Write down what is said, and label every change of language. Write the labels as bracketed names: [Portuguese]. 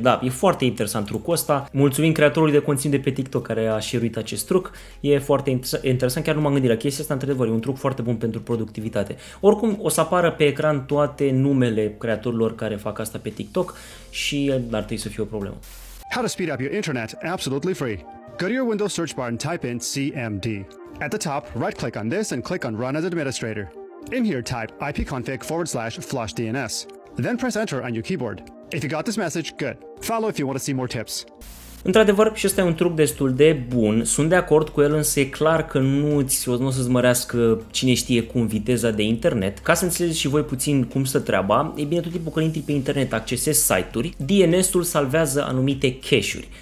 [Romanian] Da, e foarte interesant trucul ăsta. Mulțumim creatorului de conținut de pe TikTok care a share-uit acest truc. E foarte interesant, chiar nu m-am gândit la chestia asta, într-adevăr, e un truc foarte bun pentru productivitate. Oricum, o să apară pe ecran toate numele creatorilor care fac asta pe TikTok și ar trebui să fie o problemă. [English] How to speed up your internet absolutely free. Go to your Windows search bar and type in CMD. At the top, right-click on this and click on Run as Administrator. In here, type ipconfig/flushdns. Then press Enter on your keyboard. If you got this message, good. Follow if you want to see more tips. [Romanian] Într-adevăr, și ăsta e un truc destul de bun. Sunt de acord cu el, însă e clar că nu o să-ți mărească cine știe cum viteza de internet. Ca să înțelegeți și voi puțin cum stă treaba, e bine, tot timpul când intri pe internet, accesezi site-uri, DNS-ul salvează anumite cache-uri.